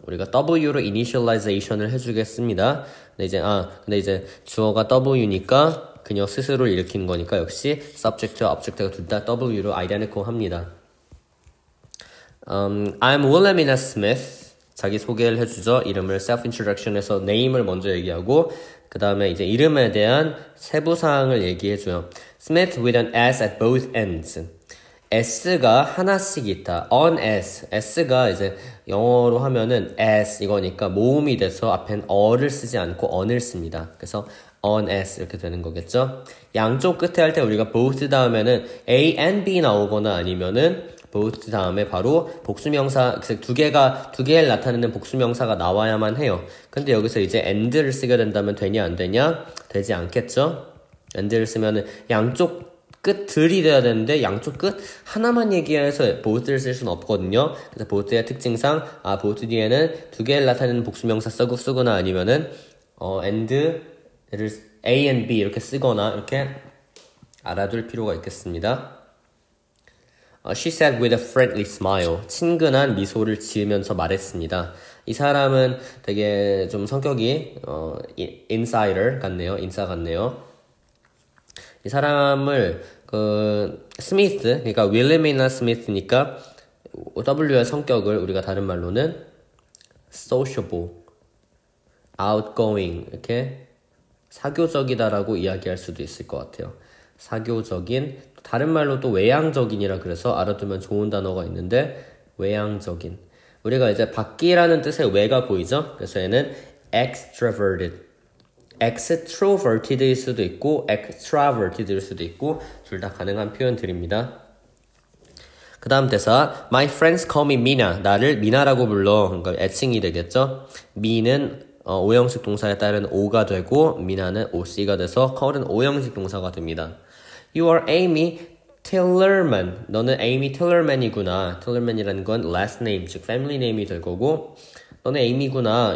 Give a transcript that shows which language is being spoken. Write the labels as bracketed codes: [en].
[ko] 우리가 W로 이니셜라이제이션을 해주겠습니다. 근데 이제 주어가 W니까 그녀 스스로 일으킨 거니까 역시 subject와 object가 둘 다 W로 identical 합니다. [en] I'm Wilhelmina Smith. [ko] 자기 소개를 해주죠. 이름을 self-introduction에서 name을 먼저 얘기하고 그 다음에 이제 이름에 대한 세부사항을 얘기해줘요. [en] Smith with an S at both ends. [ko] S가 하나씩 있다. on S. S가 이제 영어로 하면은 S 이거니까 모음이 돼서 앞엔 어를 쓰지 않고 on을 씁니다. 그래서 on S 이렇게 되는 거겠죠. 양쪽 끝에 할 때 우리가 both 다음에는 A and B 나오거나 아니면은 both 다음에 바로 복수명사, 두 개를 나타내는 복수명사가 나와야만 해요. 근데 여기서 이제 and를 쓰게 된다면 되냐 안 되냐? 되지 않겠죠? and를 쓰면은 양쪽 끝들이 돼야 되는데 양쪽 끝 하나만 얘기해서 both를 쓸 수는 없거든요. 그래서 both의 특징상 both 뒤에는 두 개를 나타내는 복수명사 쓰거나 아니면은 and를 a and b 이렇게 쓰거나 이렇게 알아둘 필요가 있겠습니다. [en] She said with a friendly smile. [ko] 친근한 미소를 지으면서 말했습니다. 이 사람은 되게 좀 성격이 insider 같네요. 인싸 같네요. 이 사람을 스미스, 그러니까 윌리미나 스미스니까 W의 성격을 우리가 다른 말로는 sociable, outgoing 이렇게 사교적이다라고 이야기할 수도 있을 것 같아요. 사교적인, 다른 말로 또 외향적인이라 그래서 알아두면 좋은 단어가 있는데 외향적인, 우리가 이제 밖이라는 뜻의 외가 보이죠? 그래서 얘는 extroverted. extroverted일 수도 있고 extraverted일 수도 있고 둘 다 가능한 표현들입니다. 그 다음 대사 [en] My friends call me Mina. [ko] 나를 미나라고 불러. 그러니까 애칭이 되겠죠. me는 오형식 동사에 따른 o가 되고 미나는 oc가 돼서 call은 오형식 동사가 됩니다. [en] You are Amy Tillerman. [ko] 너는 [en] Amy Tillerman이구나. [ko] Tillerman이라는 건 last name 즉 family name이 될 거고 너네 에이미구나.